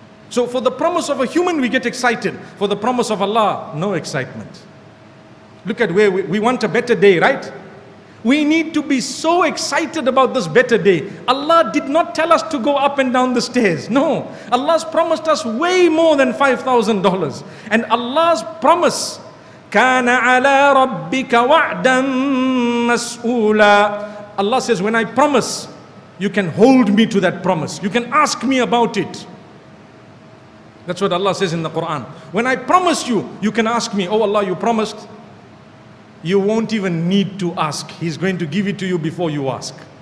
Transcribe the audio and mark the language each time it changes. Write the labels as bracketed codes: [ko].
[en] So for the promise of a human, we get excited. For the promise of Allah, no excitement. Look at where we want a better day, right? We need to be so excited about this better day. Allah did not tell us to go up and down the stairs. No, Allah's promised us way more than $5,000. And Allah's promise, [ar] كَانَ عَلَىٰ رَبِّكَ وَعْدًا مَسْئُولًا. [en] Allah says, when I promise, you can hold me to that promise. You can ask me about it. That's what Allah says in the Quran. When I promise you, you can ask me. Oh Allah, you promised. You won't even need to ask. He's going to give it to you before you ask.